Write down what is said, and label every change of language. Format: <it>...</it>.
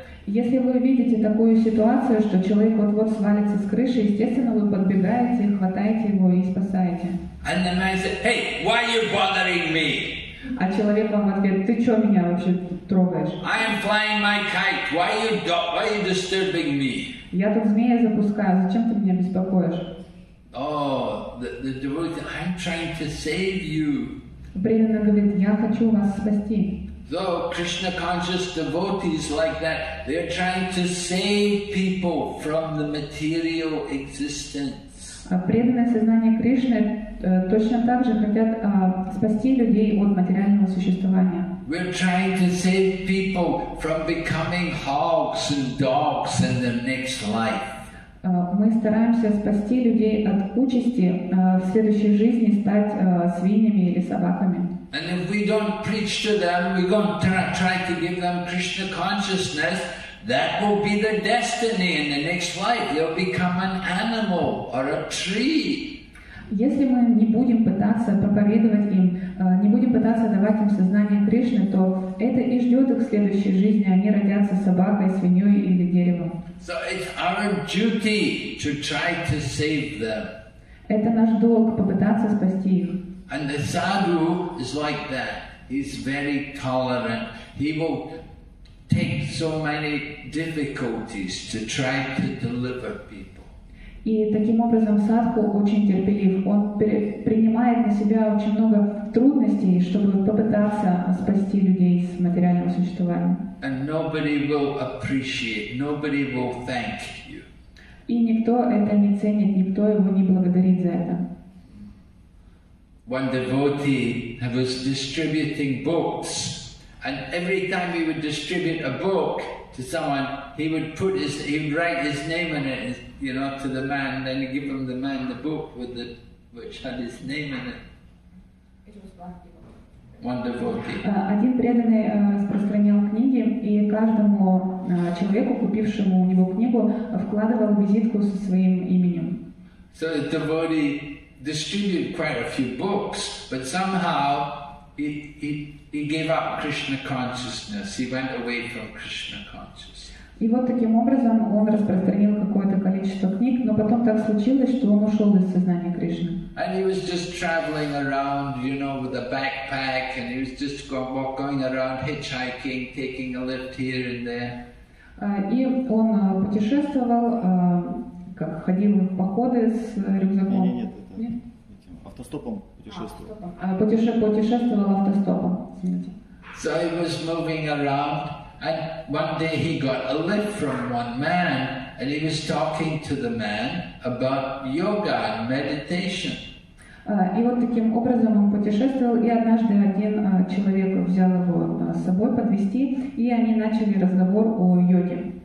<ru>Если вы видите такую ситуацию, что человек вот-вот свалится с крыши, естественно, вы подбегаете, хватаете его и спасаете.</ru> <en>And the man said, hey, why are you bothering me?</en> <ru>А человек вам ответ, ты что меня вообще трогаешь?</ru> <en>I am flying my kite. Why are you disturbing me?</en> <ru>Я тут змея запускаю, зачем ты меня беспокоишь?</ru> <en>Oh, the devotee, I'm trying to save you.</en> <ru>Преданный говорит, я хочу вас спасти.</ru> <en>So Krishna conscious devotees like that, they're trying to save people from the material existence.</en> <ru>Преданное сознание Кришны точно так же хотят спасти людей от материального существования.</ru> <en>We're trying to save people from becoming hogs and dogs in the next life.</en> <ru>Мы стараемся спасти людей от участи в следующей жизни стать свиньями или собаками.</ru> <en>And if we don't preach to them, we're going to try to give them Krishna consciousness, that will be their destiny in the next life. They'll become an animal or a tree.</en> <ru>Если мы не будем пытаться проповедовать им, не будем пытаться давать им сознание Кришны, то это и ждет их в следующей жизни. Они родятся собакой, свиньей или деревом.</ru> <en>So it's our duty to try to save them.</en> <ru>Это наш долг попытаться спасти их.</ru> <en>And the sadhu is like that. He's very tolerant. He will take so many difficulties to try to deliver people.</en> <ru>И таким образом садху очень терпелив. Он принимает на себя очень много трудностей, чтобы попытаться спасти людей с материального существования.</ru> <en>And nobody will appreciate. Нобody will thank you.</en> <ru>И никто это не ценит, никто его не благодарит за это.</ru> <en>One devotee was distributing books, and every time he would distribute a book to someone, he would write his name in it, you know, to the man, and then he'd give him the man the book with the which had his name in it. It was one devotee.</en> <ru>Один преданный распространял книги, и каждому человеку, купившему у него книгу, вкладывал визитку со своим именем.</ru> <en>So the devotee distributed quite a few books, but somehow he gave up Krishna consciousness. He went away from Krishna consciousness.</en> <ru>И вот таким образом он распространил какое-то количество книг, но потом так случилось, что он ушел из сознания Кришны.</ru> <en>And he was just traveling around, you know, with a backpack, and he was just going around hitchhiking, taking a lift here and there.</en> <ru>И он путешествовал, как ходил в походы с рюкзаком. Нет. Этим автостопом путешествовал. Путешествовал автостопом.</ru> <en>So he was moving around, and one day he got a lift from one man, and he was talking to the man about yoga and meditation.</en> <ru>И вот таким образом он путешествовал, и однажды один человек взял его с собой подвезти, и они начали разговор о йоге.</ru>